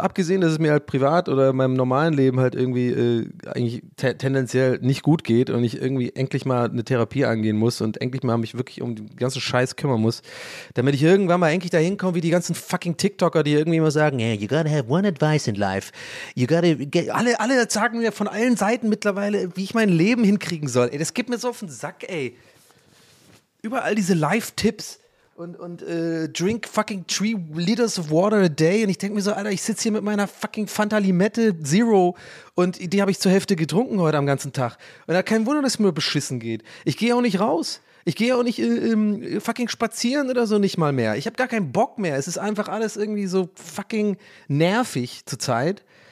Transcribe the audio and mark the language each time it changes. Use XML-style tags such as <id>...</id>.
<de>Abgesehen, dass es mir halt privat oder in meinem normalen Leben halt irgendwie eigentlich tendenziell nicht gut geht und ich irgendwie endlich mal eine Therapie angehen muss und endlich mal mich wirklich um den ganzen Scheiß kümmern muss, damit ich irgendwann mal endlich dahin komme, wie die ganzen fucking TikToker, die irgendwie immer sagen,</de> <en>hey, you gotta have one advice in life. You gotta get,</en> <de>alle sagen mir von allen Seiten mittlerweile, wie ich mein Leben hinkriegen soll. Ey, das gibt mir so auf den Sack, ey. Überall diese Life-Tipps. Und</de> <en>drink fucking 3 liters of water a day.</en> <de>Und ich denke mir so, Alter, ich sitze hier mit meiner fucking Fanta Limette Zero und die habe ich zur Hälfte getrunken heute am ganzen Tag. Und da kein Wunder, dass es mir beschissen geht. Ich gehe auch nicht raus. Ich gehe auch nicht fucking spazieren oder so nicht mal mehr. Ich habe gar keinen Bock mehr. Es ist einfach alles irgendwie so fucking nervig zurzeit.</de>